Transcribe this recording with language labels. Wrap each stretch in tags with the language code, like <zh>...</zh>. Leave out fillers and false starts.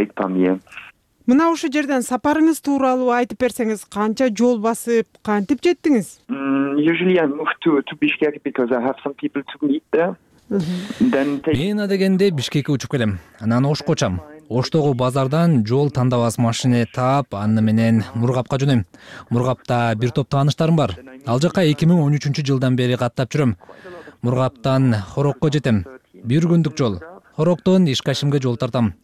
<ky>Мына ушу жерден сапарыңыз тууралуу айтып берсеңиз, канча жол басып, кантип жеттиңиз?</ky> <en>Usually I move to Bishkek because I have some people to meet there.</en> <ky>Мен адегенде Бишкекке учуп келем. Анан Ош кочам. Оштогу базардан жол тандап алып машине таап, аны менен Мургапка жөнөйм. Мургапта бир топ тааныштарым бар. Ал жакка 2013 жылдан бери каттап жүрөм. Мургаптан Хорокко жетем. Бир күндүк жол. Хороктон Ишкашимге жол тартам.</ky>